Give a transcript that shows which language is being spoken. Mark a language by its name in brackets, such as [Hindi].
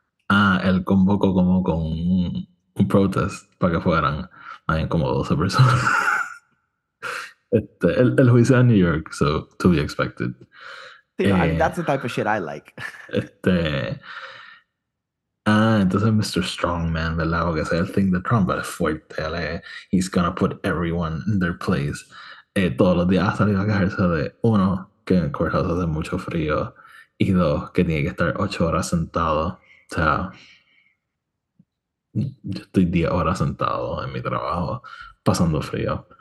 [Spanish] Ah, él convocó como con un protest para que fueran más como 12 personas. Este, el juicio en New York, [English] so, to be expected. Yeah, that's the type of shit I like. [Spanish] Este, ah, entonces Mr. Strongman, ¿verdad? Porque es el thing de Trump, es fuerte, ¿vale? [English] He's gonna put everyone in their place. [Spanish] Todos los días ha salido a quejarse de, uno, que en el courthouse hace mucho frío, y dos, que tiene que estar 8 horas sentado. O sea, yo estoy 10 horas sentado en mi trabajo, pasando frío.